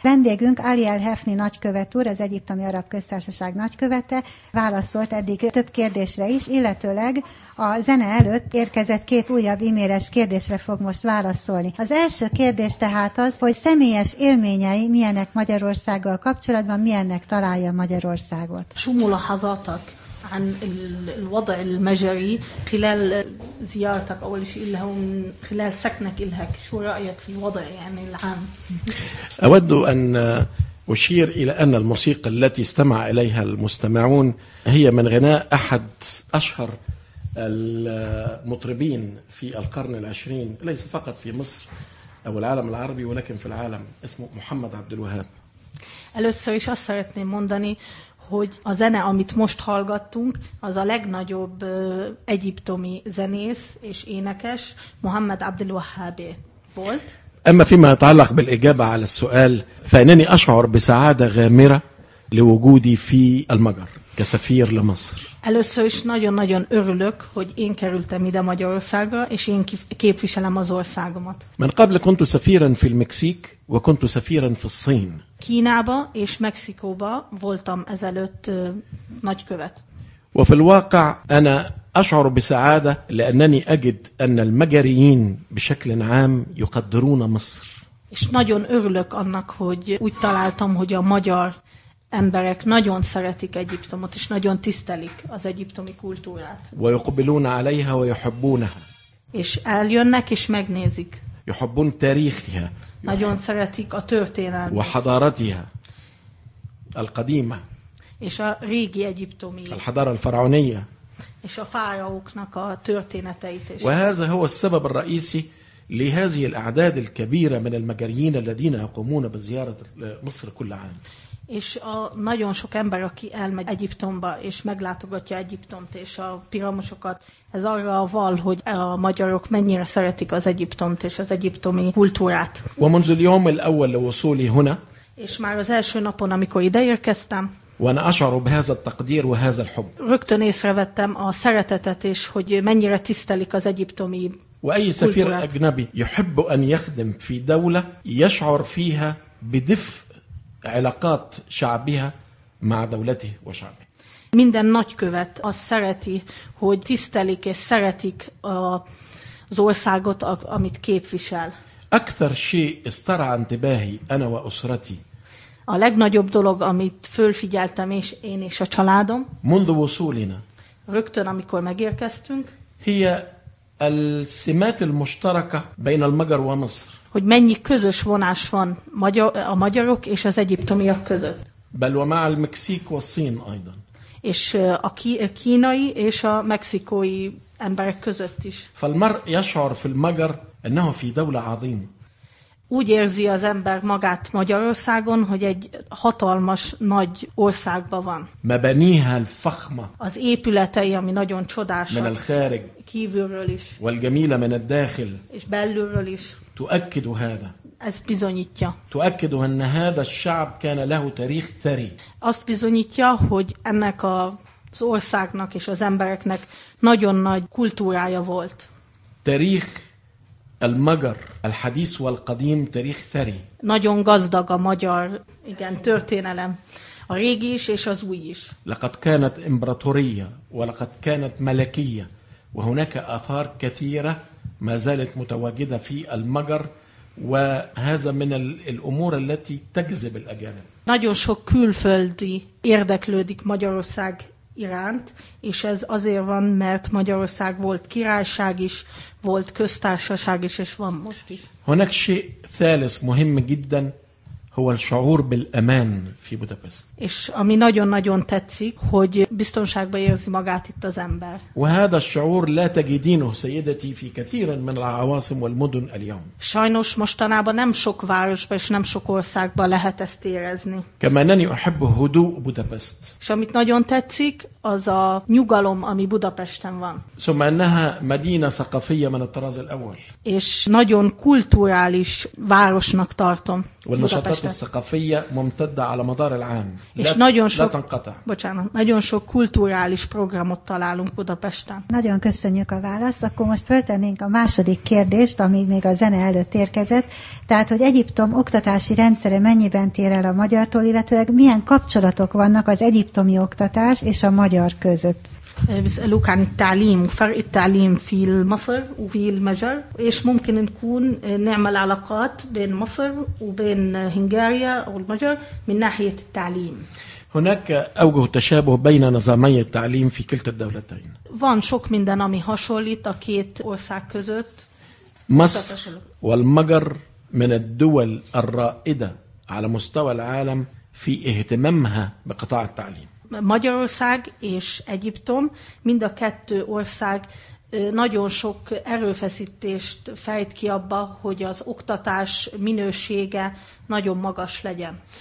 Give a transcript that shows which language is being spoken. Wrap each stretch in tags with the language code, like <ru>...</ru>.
<hu>Vendégünk Ali el-Hefni nagykövet úr, az Egyiptomi Arab Köztársaság nagykövete, válaszolt eddig több kérdésre is, illetőleg a zene előtt érkezett két újabb e-mailes kérdésre fog most válaszolni. Az első kérdés tehát az, hogy személyes élményei milyenek Magyarországgal kapcsolatban, milyennek találja Magyarországot. Sumula hazatak.</hu> <ar>عن الوضع المجري خلال زيارتك أول شيء اللي هو خلال سكنك إلهك شو رأيك في الوضع يعني العام؟ أود أن أشير إلى أن الموسيقى التي استمع إليها المستمعون هي من غناء أحد أشهر المطربين في القرن العشرين ليس فقط في مصر أو العالم العربي ولكن في العالم اسمه محمد عبد الوهاب.</ar> <hu>Először is azt szeretném mondani, hogy a zene, amit most hallgattunk, az a legnagyobb egyiptomi zenész és énekes Muhammad Abdul Wahhab volt.</hu> <ar>أما فيما يتعلق بالإجابة على السؤال فإنني أشعر بسعادة غامرة لوجودي في المجر كسفير لمصر.</ar> <hu>Először is nagyon-nagyon örülök, hogy én kerültem ide Magyarországra, és én képviselem az országomat.</hu> <ar>من قبل كنت سفيرا في المكسيك وكنت سفيرا في الصين.</ar> <hu>Kínába és Mexikóba voltam ezelőtt nagykövet.</hu> <ar>وفي الواقع أنا أشعر بسعادة لأنني أجد أن المجريين بشكل عام يقدرون مصر.</ar> <hu>És nagyon örülök annak, hogy úgy találtam, hogy a magyar emberek nagyon szeretik Egyiptomot, és nagyon tisztelik az egyiptomi kultúrát.</hu> <ar>ويقبلون عليها ويحبونها.</ar> <hu>És eljönnek és megnézik.</hu> <ar>يحبون تاريخها.</ar> <hu>Nagyon szeretik a történelmet.</hu> <ar>وحضارتها القديمة.</ar> <hu>És a régi egyiptomi.</hu> <ar>الحضارة الفرعونية.</ar> <hu>És a fáraóknak a történeteit is.</hu> <ar>وهذا هو السبب الرئيسي لهذه الأعداد الكبيرة من المجريين الذين يقومون بزيارة مصر كل عام.</ar> <hu>És a nagyon sok ember, aki elmegy Egyiptomba, és meglátogatja Egyiptomt és a piramisokat, ez arra val, hogy a magyarok mennyire szeretik az Egyiptomt és az egyiptomi kultúrát.</hu> <ar>ومنذ اليوم الأول لوصولي هنا.</ar> <hu>És már az első napon, amikor ideérkeztem.</hu> <ar>وأنا أشعر بهذا التقدير وهذا الحب.</ar> <hu>Rögtön észrevettem a szeretetet és hogy mennyire tisztelik az egyiptomi kultúrát.</hu> <ar>وأي سفير أجنبي يحب أن يخدم في دولة يشعر فيها بدفء علاقات شعبها مع دولته وشعبه.</ar> <hu>Minden nagykövet azt szereti, hogy tisztelik és szeretik az országot, amit képvisel.</hu> <ar>أكثر شيء استرعى انتباهي أنا وأسرتي.</ar> <hu>A legnagyobb dolog, amit fölfigyeltem és én és a családom.</hu> <ar>منذ وصولنا.</ar> <hu>Rögtön amikor megérkeztünk.</hu> <ar>هي السمات المشتركة بين المجر ومصر.</ar> <hu>Hogy mennyi közös vonás van a magyarok és az egyiptomiak között.</hu> <ar>بل ومع المكسيك والصين أيضا.</ar> <hu>És a kínai és a mexikói emberek között is.</hu> <ar>فالمرء يشعر في المجر أنه في دولة عظيمة.</ar> <hu>Úgy érzi az ember magát Magyarországon, hogy egy hatalmas, nagy országban van.</hu> <ar>مبنيها الفخمة.</ar> <hu>Az épületei, ami nagyon csodásak.</hu> <ar>من الخارج.</ar> <hu>Kívülről is.</hu> <ar>والجميلة من الداخل.</ar> <hu>És belülről is.</hu> <ar>تؤكد هذا.</ar> <hu>Ez bizonyítja.</hu> <ar>تؤكد أن هذا الشعب كان له تاريخ ثري.</ar> <hu>Azt bizonyítja, hogy ennek az országnak és az embereknek nagyon nagy kultúrája volt.</hu> <ar>تاريخ المجر الحديث والقديم تاريخ ثري.</ar> <hu>Nagyon gazdag a magyar, igen, történelem. A régi is és az új is.</hu> <ar>لقد كانت إمبراطورية ولقد كانت ملكية وهناك آثار كثيرة ما زالت متواجدة في المجر وهذا من الأمور التي تجذب الأجانب.</ar> <hu>Nagyon sok külföldi érdeklődik Magyarország iránt, és ez azért van, mert Magyarország volt királyság is, volt köztársaság is, és van most is.</hu> <ar>هناك شيء ثالث مهم جدا هو الشعور بالأمان في بودابست.</ar> <hu>És ami nagyon-nagyon tetszik, hogy biztonságban érzi magát itt az ember.</hu> <ar>وهذا الشعور لا تجدينه سيدتي في كثير من العواصم والمدن اليوم.</ar> <hu>Sajnos mostanában nem sok városban és nem sok országban lehet ezt érezni.</hu> <ar>كما أنني أحب هدوء بودابست.</ar> <hu>És amit nagyon tetszik, az a nyugalom, ami Budapesten van.</hu> <ar>ثم أنها مدينة ثقافية من الطراز الأول.</ar> <hu>És nagyon kulturális városnak tartom.</hu> <ar>والنشاطات والمعارف الثقافية ممتدة على مدار العام لا تنقطع.</ar> <hu>Bocsánat, nagyon sok kulturális programot találunk Budapesten. Nagyon köszönjük a választ. Akkor most föltennénk a második kérdést, ami még a zene előtt érkezett. Tehát, hogy Egyiptom oktatási rendszere mennyiben tér el a magyartól, illetőleg milyen kapcsolatok vannak az egyiptomi oktatás és a magyar között?</hu> <ar>بسألوك عن التعليم وفرق التعليم في مصر وفي المجر إيش ممكن نكون نعمل علاقات بين مصر وبين هنغاريا أو المجر من ناحية التعليم هناك أوجه تشابه بين نظامي التعليم في كلتا الدولتين</ar> <hu>فان شوك من دنامي هاشوليت أكيد أورساك كزوت</hu> <ar>مصر والمجر من الدول الرائدة على مستوى العالم في اهتمامها بقطاع التعليم</ar> <hu>Magyarország és Egyiptom, mind a kettő ország nagyon sok erőfeszítést fejt ki abba, hogy az oktatás minősége nagyon magas legyen.</hu>